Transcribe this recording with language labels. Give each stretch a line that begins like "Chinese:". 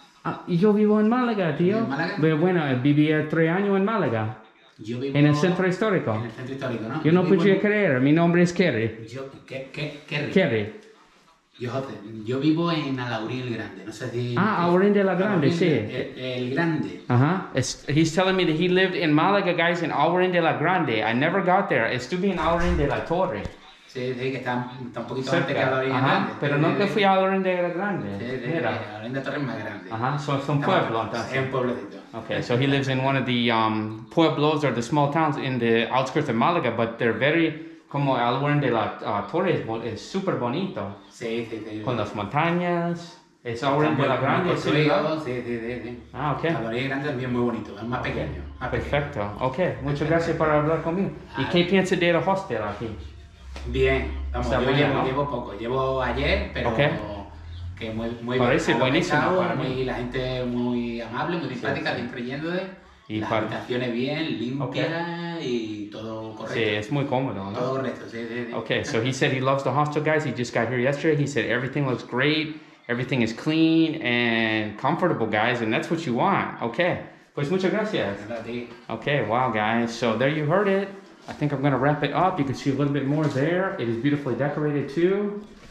Spanish: Ah, yo vivo en Málaga, tío. ¿En Málaga? Pero bueno, vivía 3 años en Málaga. Yo vivo... en el centro histórico. En el centro histórico, ¿no? Yo no podía en... creer. Mi nombre es Kerry. Yo, Kerry. Yo vivo en Alaurín el Grande. No sé si... ah, Aurín de la Grande, sí. El Grande. Uh-huh.
English: He's telling me that he lived in Málaga, guys, in Aurín de la Grande. I never got there.
Spanish: Estuve en Aurín de la Torre. Sí, que está un poquito antes que Aurín de la Grande. Pero nunca fui a Aurín de la Grande. Sí, Aurín de la Torre es más grande. Ajá, uh-huh. So es un pueblo. Entonces. Es un pueblito.
English: Okay, so he lives in one of the pueblos or the small towns in the outskirts of Málaga, but they're very...
Spanish: como Alborán de la Torre es súper bonito. Sí, sí, sí. Con sí, las montañas. Es Alborán de la Grande. Sí, sí, sí. Ah, ok. Alborán de la Grande también muy bonito. Es más pequeño. Más perfecto. Pequeño. Ok. Muchas gracias por hablar conmigo. ¿Y qué piensas de la hostel aquí? Bien. Vamos, está yo bien, llevo, ¿no? Llevo poco. Llevo ayer, pero... Okay. Que muy, muy parece bien. Buenísimo estado, para mí. Y la gente muy amable, muy simpática, sí, sí, siempre yendo de... Y las habitaciones bien, limpias, okay, y todo correcto. Sí, es muy cómodo, ¿no? Todo correcto, sí, sí, sí.
English: Okay, so he said he loves the hostel, guys. He just got here yesterday. He said everything looks great. Everything is clean and comfortable, guys. And that's what you want. Okay.
Spanish: Pues muchas gracias. Gracias a ti.
English: Okay, wow, guys. So there you heard it. I think I'm going to wrap it up. You can see a little bit more there. It is beautifully decorated, too.